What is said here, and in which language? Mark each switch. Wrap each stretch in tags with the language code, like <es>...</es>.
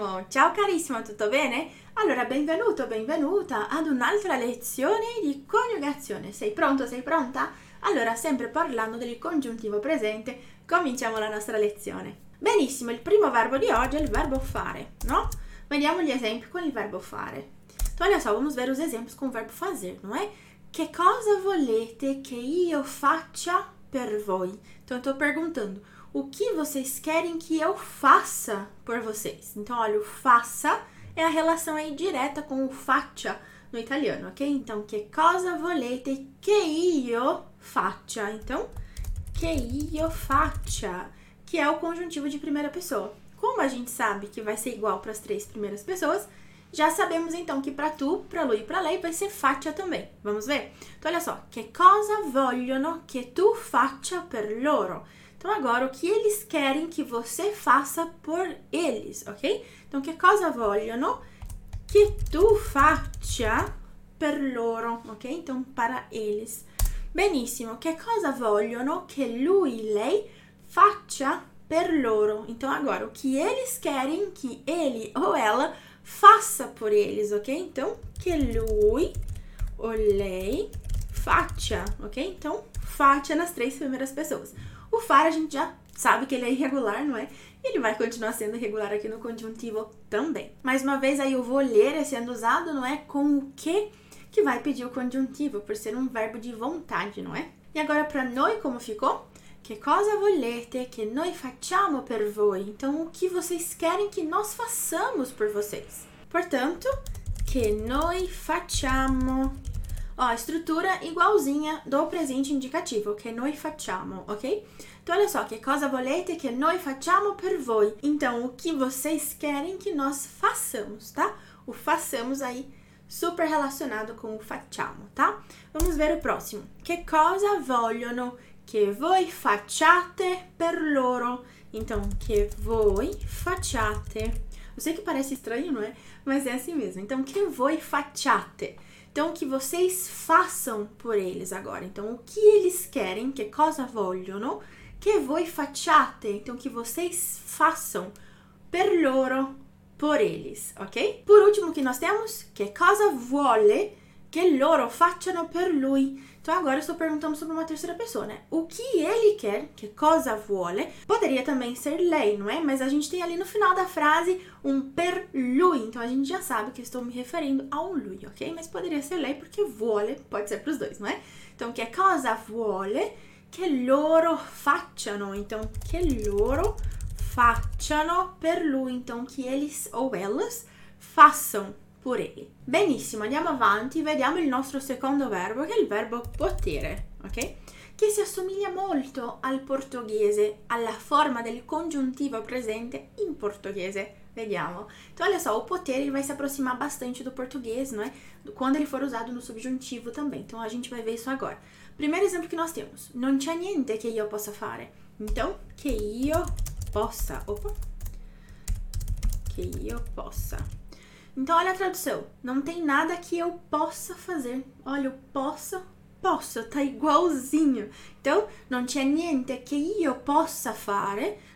<it>Ciao carissimo, tutto bene? Allora, benvenuto, benvenuta ad un'altra lezione di coniugazione. Sei pronto, sei pronta? Allora, sempre parlando del congiuntivo presente, cominciamo la nostra lezione. Benissimo, il primo verbo di oggi è il verbo fare, no? Vediamo gli esempi con il verbo fare.</it> <pt>Então, olha só, vamos ver os exemplos com o verbo fazer, não é?</pt> <it>Che cosa volete che io faccia per voi?</it> <pt>Então, eu tô perguntando. O que vocês querem que eu faça por vocês? Então, olha, o faça é a relação aí direta com o faccia no italiano, ok? Então,</pt> <it>que cosa volete che io faccia?</it> <pt>Então,</pt> <it>che io faccia,</it> <pt>que é o conjuntivo de primeira pessoa. Como a gente sabe que vai ser igual para as três primeiras pessoas, já sabemos então que para tu, para lui e para lei vai ser faccia também. Vamos ver? Então, olha só,</pt> <it>que cosa vogliono che tu faccia per loro?</it> <pt>Então, agora, o que eles querem que você faça por eles, ok?</pt> <it>Então, que cosa vogliono che tu faccia per loro, ok?</it> <pt>Então, para eles.</pt> <it>Benissimo, che cosa vogliono che lui, lei faccia per loro?</it> <pt>Então, agora, o que eles querem que ele ou ela faça por eles, ok?</pt> <it>Então, che lui ou lei faccia, ok?</it> <pt>Então, faccia nas três primeiras pessoas. O fare a gente já sabe que ele é irregular, não é? Ele vai continuar sendo irregular aqui no conjuntivo também. Mais uma vez aí o voler é sendo usado, não é? Com o quê que vai pedir o conjuntivo, por ser um verbo de vontade, não é? E agora para noi como ficou?</pt> <it>Che cosa volete che noi facciamo per voi?</it> <pt>Então o que vocês querem que nós façamos por vocês?</pt> <it>Portanto, che noi facciamo.</it> <pt>Ó, estrutura igualzinha do presente indicativo,</pt> <it>che noi facciamo,</it> <pt>ok?</pt> <it>Então, olha só, che cosa volete che noi facciamo per voi?</it> <pt>Então, o que vocês querem que nós façamos, tá? O façamos aí super relacionado com o facciamo, tá? Vamos ver o próximo.</pt> <it>Che cosa vogliono che voi facciate per loro? Então, che voi facciate.</it> <pt>Eu sei que parece estranho, não é? Mas é assim mesmo. Então,</pt> <it>che voi facciate.</it> <pt>Então, o que vocês façam por eles agora? Então, o que eles querem,</pt> <it>que cosa vogliono, che voi facciate?</it> <pt>Então, o que vocês façam</pt> <it>per loro,</it> <pt>por eles, ok? Por último, que nós temos,</pt> <it>che cosa vuole che loro facciano per lui?</it> <pt>Então, agora eu estou perguntando sobre uma terceira pessoa, né? O que ele quer,</pt> <it>che cosa vuole,</it> <pt>poderia também ser lei, não é? Mas a gente tem ali no final da frase um</pt> <it>per lui.</it> <pt>Então, a gente já sabe que estou me referindo a um lui, ok? Mas poderia ser lei porque</pt> <it>vuole</it> <pt>pode ser para os dois, não é?</pt> <it>Então, che cosa vuole che loro facciano? Então, che loro facciano per lui.</it> <pt>Então, que eles ou elas façam por ele.</pt> <it>Benissimo, andiamo avanti, vediamo il nostro secondo verbo, che è il verbo potere, ok? Che si assomiglia molto al portoghese, alla forma del congiuntivo presente in portoghese. Vediamo.</it> <pt>Então, olha só, o potere ele vai se aproximar bastante do português, não é? Quando ele for usado no subjuntivo também. Então, a gente vai ver isso agora. Primeiro exemplo que nós temos.</pt> <it>Non c'è niente che io possa fare.</it> <pt>Então,</pt> <it>che io possa.</it> <pt>Opa!</pt> <it>Che io possa.</it> <pt>Então, olha a tradução. Não tem nada que eu possa fazer. Olha, o possa, tá igualzinho.</pt> <it>Então, non c'è niente che io possa fare.</it>